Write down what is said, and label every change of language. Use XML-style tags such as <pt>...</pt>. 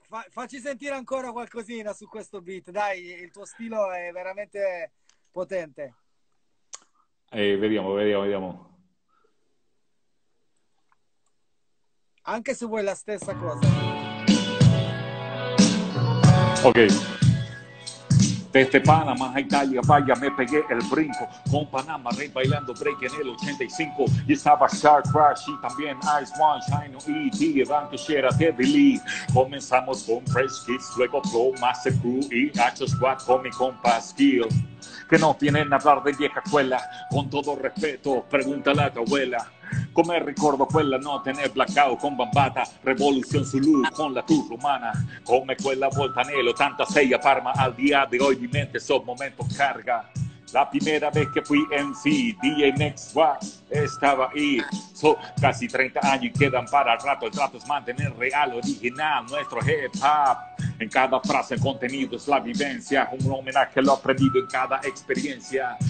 <it>Facci sentire ancora qualcosina su questo beat, dai, il tuo stilo è veramente potente. Vediamo. Anche se vuoi la stessa cosa. Ok.</it> <es>Desde Panamá a Italia, vaya, me pegué el brinco. Con Panamá Red bailando break en el 85. Y estaba Shark Crash y también Ice One, Shino E, Die Danke, Shira, Teddy Lee. Comenzamos con Fresh Kids, luego Flow, Master Crew y H Squad con mi compa Skill. Que no tienen hablar de vieja escuela, con todo respeto, pregúntale a tu abuela.</es> <it>Come ricordo quella notte nel blackout con Bambata, Revolución Zulu con la Cruz Romana, come quella volta nel 86 a Parma,</it> <es>al día de hoy mi mente esos momentos carga. La primera vez que fui MC, DJ Next One, estaba ahí. So, casi 30 años y quedan para el rato. El trato es mantener real, original, nuestro hip hop. En cada frase, el contenido es la vivencia. Un homenaje a lo aprendido en cada experiencia.</es>